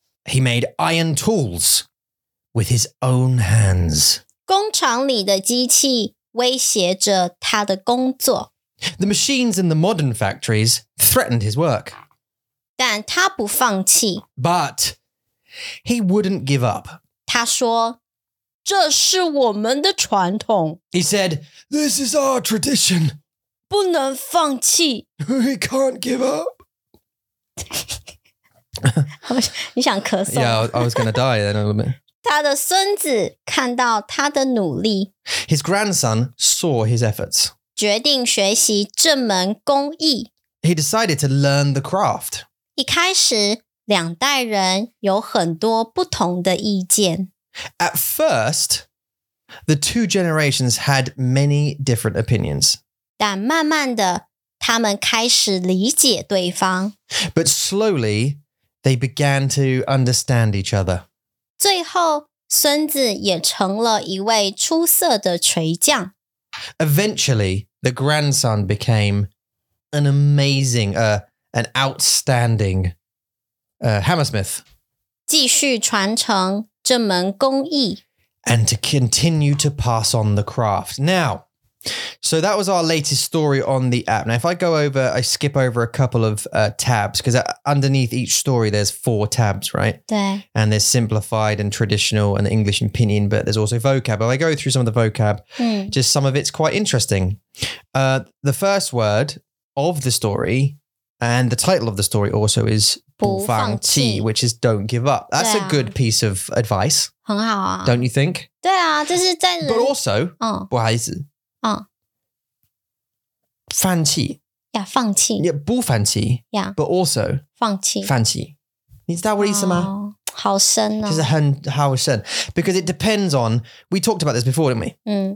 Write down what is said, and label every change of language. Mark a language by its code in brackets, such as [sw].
[en] He made iron tools with his own hands. [zh] 工厂里的机器威胁着他的工作. [en] The machines in the modern factories threatened his work. [zh] 但他不放弃. [en] But he wouldn't give up. [zh] 他说, 这是我们的传统. [en] He said, "This is our tradition." [zh] 不能放弃. [en] He can't give up. [zh] 你想咳嗽 [en] Yeah, I was going to die in a little bit. [zh] 他的孙子看到他的努力 [en] His grandson saw his efforts. [zh] 决定学习这门工艺 [en] He decided to learn the craft. [zh] 一开始两代人有很多不同的意见 [en] At first, the two generations had many different opinions. [zh] 但慢慢的他们开始理解对方 [en] But slowly, they began to understand each other. [zh] 最后孙子也成了一位出色的锤匠 [en] Eventually, the grandson became an amazing, an outstanding hammersmith. [zh] 继续传承这门工艺 [en] And to continue to pass on the craft. Now,So that was our latest story on the app. Now, if I go over, I skip over a couple of tabs, because underneath each story, there's four tabs, right? [zh] 对。 [en] And there's simplified and traditional and English and pinyin, but there's also vocab. If I go through some of the vocab, just some of it's quite interesting. The first word of the story and the title of the story also is [zh] 不放弃 [en] which is don't give up. That's a good piece of advice. [zh] 很好啊。 [en] Don't you think? [zh] 对啊,这是在人。 [en] But also, [zh] 不好意思。放弃 Yeah, 放弃 Yeah, 不放弃 [en] Yeah, but also [zh] 放弃放弃你知道我的意思吗好深哦就是很好深 [en] Because it depends on We talked about this before, didn't we?